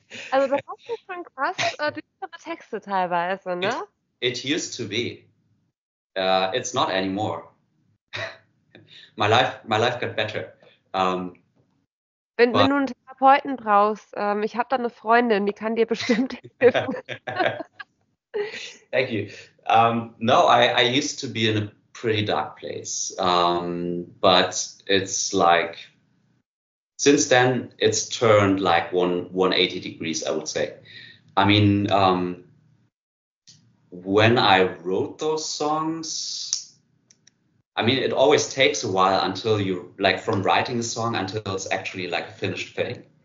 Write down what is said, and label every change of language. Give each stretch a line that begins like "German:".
German: Also du hast ja schon krass düstere Texte teilweise, ne?
English: It used to be. It's not anymore. My life got better.
German: Wenn du einen Therapeuten brauchst, ich habe da eine Freundin, die kann dir bestimmt helfen.
English: Thank you. No, I used to be in a pretty dark place, but it's like since then it's turned like 180 degrees, I would say. I mean, when I wrote those songs, I mean, it always takes a while until you like from writing a song until it's actually like a finished thing.